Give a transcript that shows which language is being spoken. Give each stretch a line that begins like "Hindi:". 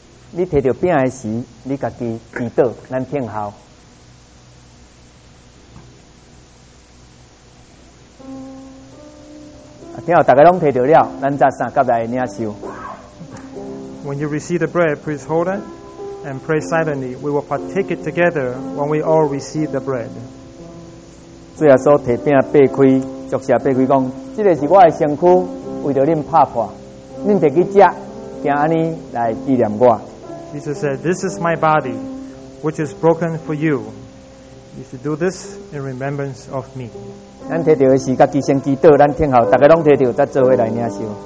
Min Nan Chinese: 你提着饼的时，你家己祈祷，咱听候。听候，大家拢提着了，咱再三甲来领受。
English: When you receive the bread, please hold it and pray silently. We will partake it together when we all receive the bread.
Min Nan Chinese: 最后所提饼掰开，祝谢掰开，讲这个是我的身躯，为着恁打破。恁提去吃，今安尼来纪念我。
English: Jesus said, "This is my body, which is broken for you. You should do this in remembrance of me."
Min Nan Chinese: 咱提着的是家己先祈祷，咱听候，大家拢提着，再做伙来领受。